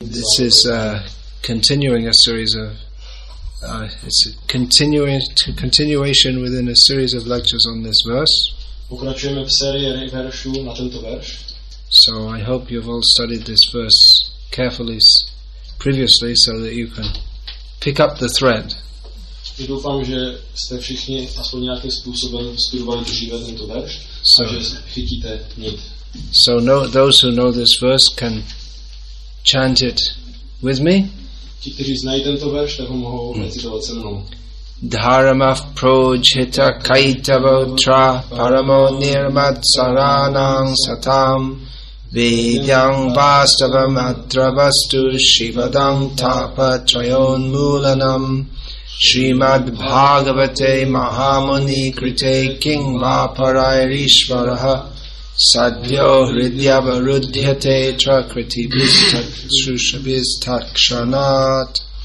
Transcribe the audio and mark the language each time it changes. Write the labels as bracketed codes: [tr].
[en] This is continuing a series of continuation within a series of lectures on this verse. [cs] Pokračujeme v sérii veršů na tento verš. [en] So I hope you've all studied this verse carefully previously so that you can pick up the thread. [cs] Doufám, že jste všichni aspoň nějakým způsobem studovali živě tento verš, so, a že chytíte nit. [en] So no, those who know this verse can chant it with me. [cs] Ti, kteří znají tento verš, tak ho mohou recitovat se mnou. [sa] Dharma prochita kaitavatra paramo nirmat saranam satam vidyang vastavam atravastu shivadam tapa trayon mulanam Srimad Bhagavate Mahamuni Krite King Maparairishvaraha Sadhyo Hridyavarudhyate Trakriti Bhistat Shushabhistakshanat.